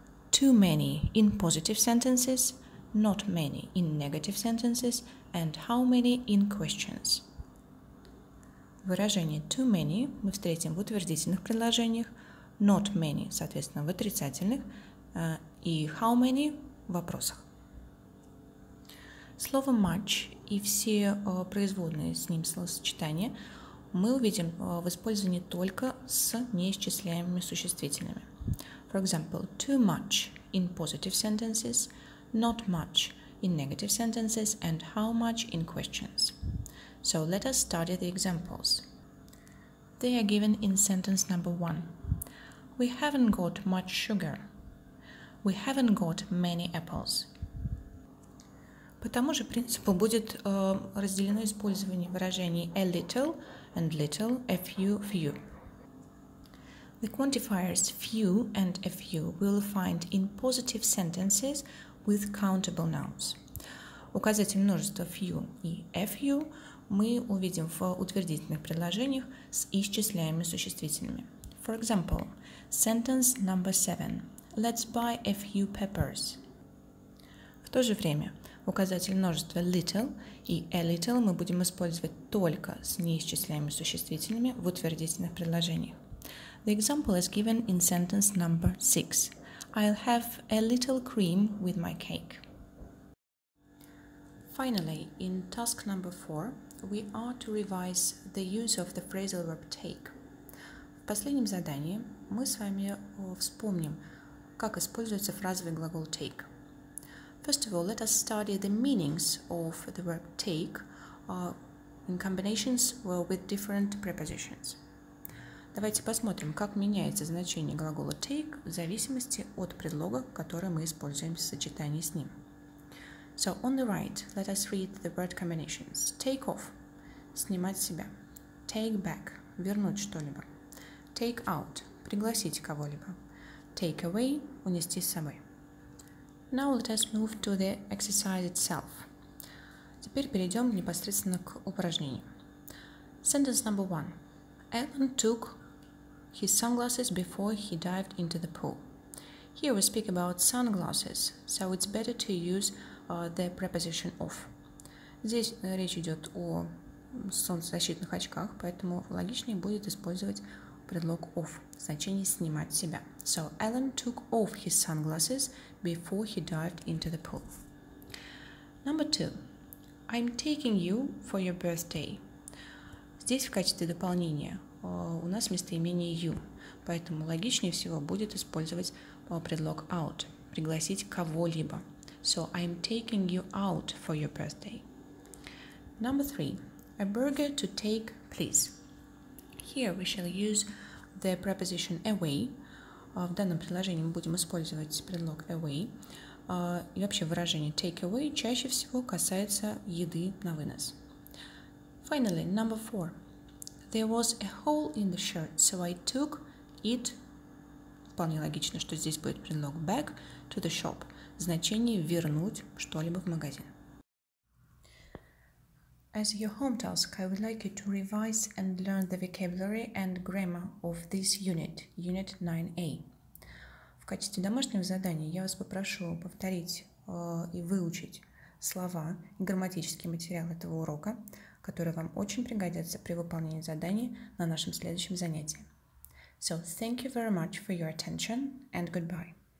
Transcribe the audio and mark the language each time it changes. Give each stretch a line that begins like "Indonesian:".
English: Too many in positive sentences, not many in negative sentences, and how many in questions.
Russian: Выражение too many мы встретим в утвердительных предложениях, not many, соответственно, в отрицательных, и how many в вопросах. Слово much и все производные с ним словосочетания мы увидим в использовании только с неисчисляемыми существительными.
English: For example, too much in positive sentences, not much in negative sentences, and how much in questions. So let us study the examples. They are given in sentence number one. We haven't got much sugar. We haven't got many apples.
Russian: По тому же принципу будет разделено использование выражений a little and little, a few, few.
English: The quantifiers few and a few we'll find in positive sentences with countable nouns.
Russian: Указатель множества few и a few мы увидим в утвердительных предложениях с исчисляемыми существительными.
English: For example, sentence number seven. Let's buy a few peppers.
Russian: В то же время указатель множества little и a little мы будем использовать только с неисчисляемыми существительными в утвердительных предложениях.
English: The example is given in sentence number six. I'll have a little cream with my cake. Finally, in task number four, we are to revise the use of the phrasal verb take.
Russian: В последнем задании мы с вами вспомним, как используется фразовый глагол take.
English: First of all, let us study the meanings of the verb take in combinations with different prepositions.
Russian: Давайте посмотрим, как меняется значение глагола take в зависимости от предлога, который мы используем в сочетании с ним.
English: So on the right, let us read the word combinations. Take off.
Russian: снимать себя. Take back – вернуть что-либо. Take out – пригласить кого-либо. Take away – унести с собой.
English: Now let us move to the exercise itself.
Russian: Теперь перейдем непосредственно к упражнению.
English: Sentence number one. Alan took his sunglasses before he dived into the pool. Here we speak about sunglasses, so it's better to use the preposition of.
Russian: Здесь речь идет о солнцезащитных очках, поэтому логичнее будет использовать предлог of, значение снимать себя.
English: So Alan took off his sunglasses before he dived into the pool. Number two. I'm taking you for your birthday.
Russian: Здесь в качестве дополнения у нас местоимение you, поэтому логичнее всего будет использовать предлог out, пригласить кого-либо.
English: So I'm taking you out for your birthday. Number three. A burger to take, please. Here we shall use the preposition away.
Russian: В данном предложении мы будем использовать предлог away. И вообще выражение take away чаще всего касается еды на вынос.
English: Finally, number four. There was a hole in the shirt, so I took it.
Russian: Вполне логично, что здесь будет предлог
English: back to the shop.
Russian: Значение вернуть что-либо в магазин.
English: As your home task, I would like you to revise and learn the vocabulary and grammar of this unit, unit 9A.
Russian: В качестве домашнего задания я вас попрошу повторить и выучить слова и грамматический материал этого урока, который вам очень пригодится при выполнении задания на нашем следующем занятии.
English: So, thank you very much for your attention and goodbye.